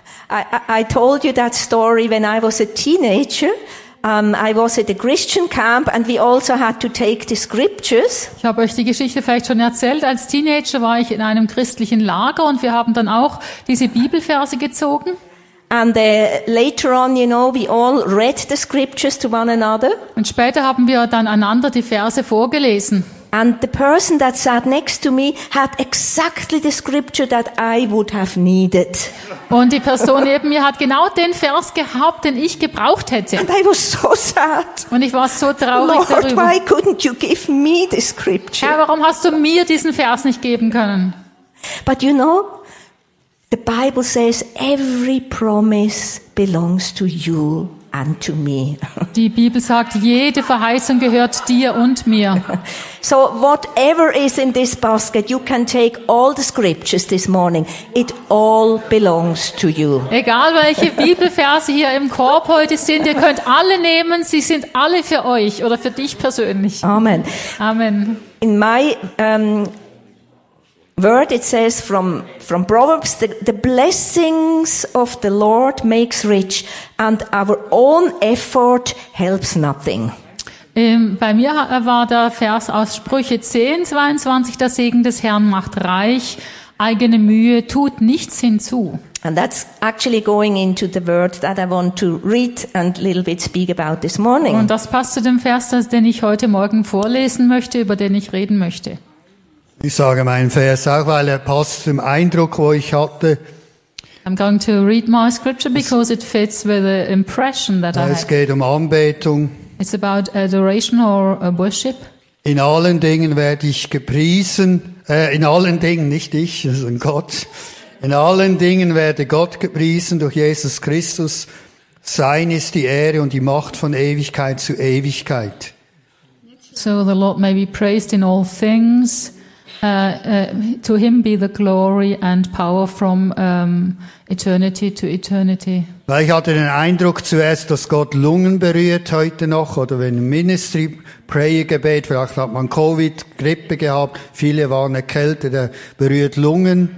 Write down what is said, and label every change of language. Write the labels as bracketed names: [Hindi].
[English] I told you that story when I was a teenager. I was at a Christian camp and we also had to take the scriptures. [German] Ich habe euch die Geschichte vielleicht schon erzählt. Als Teenager war ich in einem christlichen Lager und wir haben dann auch diese Bibelverse gezogen. [English] And later on, you know, we all read the scriptures to one another. [German] Und später haben wir dann einander die Verse vorgelesen. [English] And the person that sat next to me had exactly the scripture that I would have needed. [German] Und die Person neben mir hat genau den Vers gehabt, den ich gebraucht hätte. [English] And I was so sad. [German] Und ich war so traurig [English] Lord, [German] darüber. [English] Why couldn't you give me the scripture? [German] Herr, warum hast du mir diesen Vers nicht geben können? [English] But you know, the Bible says every promise belongs to you and to me. [German] Die Bibel sagt, jede Verheißung gehört dir und mir. [English] So whatever is in this basket, you can take all the scriptures this morning. It all belongs to you. [German] Egal welche Bibelverse hier im Korb heute sind, ihr könnt alle nehmen, sie sind alle für euch oder für dich persönlich. Amen. Amen. [English] In my word it says from Proverbs, the blessings of the Lord makes rich and our own effort helps nothing. [German] Bei mir war der Vers aus Sprüche 10:22, der Segen des Herrn macht reich, eigene Mühe tut nichts hinzu. [English] And that's actually going into the word that I want to read and a little bit speak about this morning. [German] Und das passt zu dem Vers, den ich heute Morgen vorlesen möchte, über den ich reden möchte. Ich sage meinen Vers auch, weil er passt zum Eindruck, wo ich hatte. [English] I'm going to read my scripture because it fits with the impression that I had. [German] Es geht um Anbetung. [English] It's about adoration or worship. [German] In allen Dingen werde ich gepriesen. In allen Dingen, nicht ich, sondern Gott. In allen Dingen werde Gott gepriesen durch Jesus Christus. Sein ist die Ehre und die Macht von Ewigkeit zu Ewigkeit. [English] So the Lord may be praised in all things. To him be the glory and power from eternity to eternity. [German] Weil ich hatte den Eindruck zuerst, dass Gott Lungen berührt heute noch, oder wenn Ministry Prayer Gebet, vielleicht hat man Covid, Grippe gehabt, viele waren erkältet, er berührt Lungen.